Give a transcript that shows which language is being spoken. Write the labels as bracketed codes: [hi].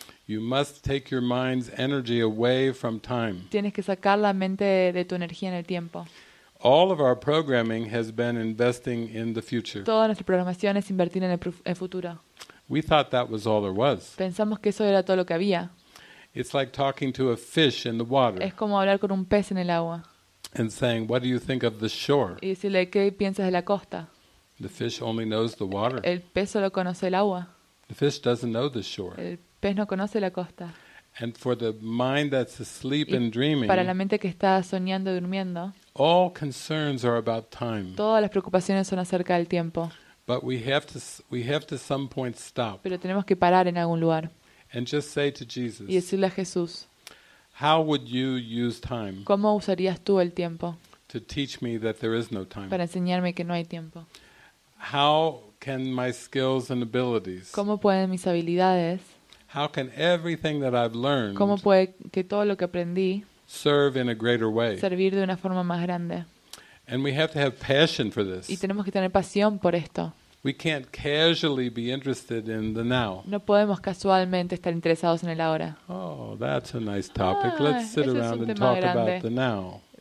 [en] You must take your mind's energy away from time. [es] Tienes que sacar la mente de tu energía en el tiempo. [en] All of our programming has been investing in the future. [es] Toda nuestra programación es invertir en el futuro. [en] We thought that was all there was. [es] Pensamos que eso era todo lo que había. [en] It's like talking to a fish in the water. [es] Es como hablar con un pez en el agua. [en] And saying, "What do you think of the shore?" [es] Y decirle, ¿qué piensas de la costa? [en] The fish only knows the water. [es] El pez solo conoce el agua. [en] The fish doesn't know the shore. [es] El pez no conoce la costa. [en] And for the mind that's asleep [es] y [en] and dreaming, [es] para la mente que está soñando y durmiendo, [en] all concerns are about time. [es] Todas las preocupaciones son acerca del tiempo. [en] But we have to some point stop. [es] Pero tenemos que parar en algún lugar. [en] And just say to Jesus. [es] Y decirle a Jesús. [en] How would you use time? [es] ¿Cómo usarías tú el tiempo? [en] To teach me that there is no time. [es] Para enseñarme que no hay tiempo. [en] How can my skills and abilities? [es] ¿Cómo pueden mis habilidades? [en] How can everything that I've learned? [es] ¿Cómo puede que todo lo que aprendí? [en] Serve in a greater way. [es] Servir de una forma más grande. [en] And we have to have passion for this. [es] Y tenemos que tener pasión por esto. [en] We can't casually be interested in the now. [es] No podemos casualmente estar interesados en el ahora. [en] Oh, that's a nice topic. Let's sit around and talk about the now.